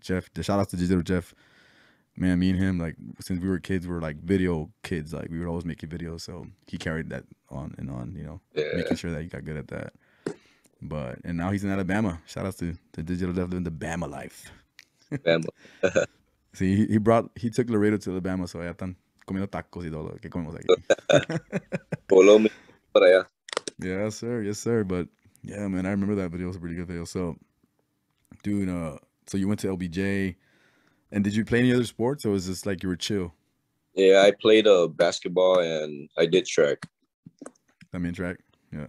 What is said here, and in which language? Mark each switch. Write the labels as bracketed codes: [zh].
[en] Jeff, the shout out to Digital Jeff. Man, me and him, like, since we were kids, we were like video kids. Like, we were always making videos. So he carried that on and on, you know, yeah. making sure that he got good at that. But, and now he's in Alabama. Shout out to Digital Jeff living the Bama life. Bama. See, he took Laredo to Alabama. [es] So, ya están comiendo tacos y todo lo que comemos aquí. Colombia, para allá. [en] Yes, sir. Yes, sir. But, yeah, man, I remember that video. It was a pretty good video. So, dude, so you went to LBJ. And did you play any other sports, or was this like you were chill? Yeah, I played basketball, and I did track. I mean, track? Yeah.